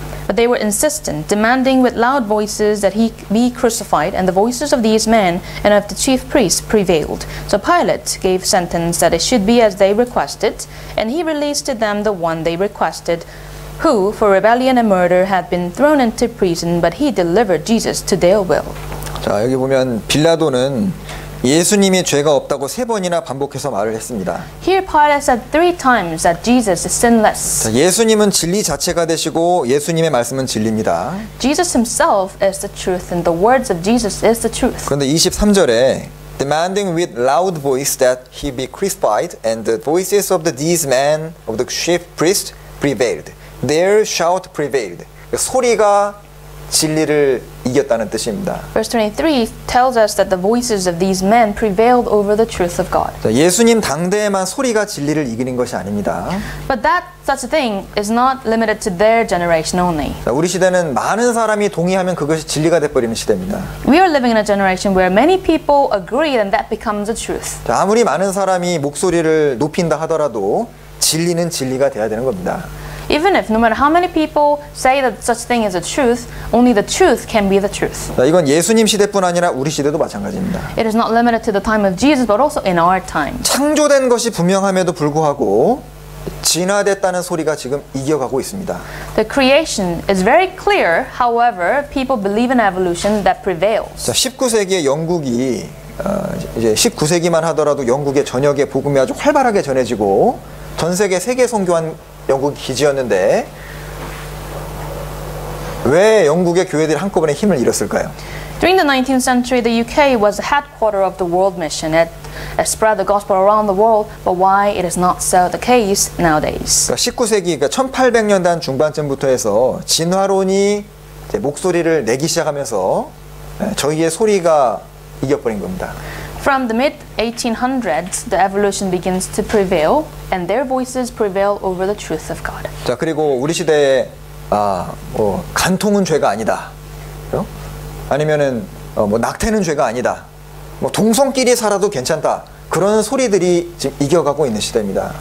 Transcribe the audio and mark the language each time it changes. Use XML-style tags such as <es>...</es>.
<en>But they were insistent, demanding with loud voices that he be crucified, and the voices of these men and of the chief priests prevailed. So Pilate gave sentence that it should be as they requested, and he released to them the one they requested, who for rebellion and murder had been thrown into prison, but he delivered Jesus to their will.</en> <ko>자, 여기 보면 빌라도는 예수님이 죄가 없다고 세 번이나 반복해서 말을 했습니다.</ko> <en>Here Pilate said three times that Jesus is sinless.</en> <ko>자, 예수님은 진리 자체가 되시고 예수님의 말씀은 진리입니다.</ko> <en>Jesus himself is the truth and the words of Jesus is the truth.</en> <ko>그런데 23절에</ko> <en>demanding with loud voice that he be crucified and the voices of these men of the chief priest prevailed. Their shout prevailed.</en> <ko>소리가 진리를 이겼다는 뜻입니다.</ko> <en>Verse 23 tells us that the voices of these men prevailed over the truth of God.</en> <ko>예수님 당대에만 소리가 진리를 이기는 것이 아닙니다.</ko> <en>But that such a thing is not limited to their generation only.</en> <ko>우리 시대는 많은 사람이 동의하면 그것이 진리가 돼 버리는 시대입니다.</ko> <en>We are living in a generation where many people agree and that becomes the truth.</en> <ko>아무리 많은 사람이 목소리를 높인다 하더라도 진리는 진리가 돼야 되는 겁니다.</ko> <en>Even if, no matter how many people say that such thing is a truth, only the truth can be the truth.</en> <ko>이건 예수님 시대뿐 아니라 우리 시대도 마찬가지입니다.</ko> <en>It is not limited to the time of Jesus, but also in our time.</en> <ko>창조된 것이 분명함에도 불구하고 진화됐다는 소리가 지금 이겨가고 있습니다.</ko> <en>The creation is very clear. However, people believe in evolution that prevails.</en> <ko>19세기의 영국이 이제 19세기만 하더라도 영국의 전역에 복음이 아주 활발하게 전해지고 전 세계 세계 선교한 영국 기지였는데 왜 영국의 교회들이 한꺼번에 힘을 잃었을까요?</ko> <en>During the 19th century, the UK was the headquarters of the world mission. It spread the gospel around the world. But why it is not so the case nowadays?</en> <ko>19세기, 그러니까 1800년대 중반쯤부터 해서 진화론이 이제 목소리를 내기 시작하면서 저희의 소리가 이겨버린 겁니다.</ko> <en>From the mid-1800s, the evolution begins to prevail, and their voices prevail over the truth of God.</en> <ko>자, 그리고 우리 시대에 간통은 죄가 아니다. 아니면은 뭐 낙태는 죄가 아니다. 뭐 동성끼리 살아도 괜찮다. 그런 소리들이 지금 이겨가고 있는 시대입니다.</ko>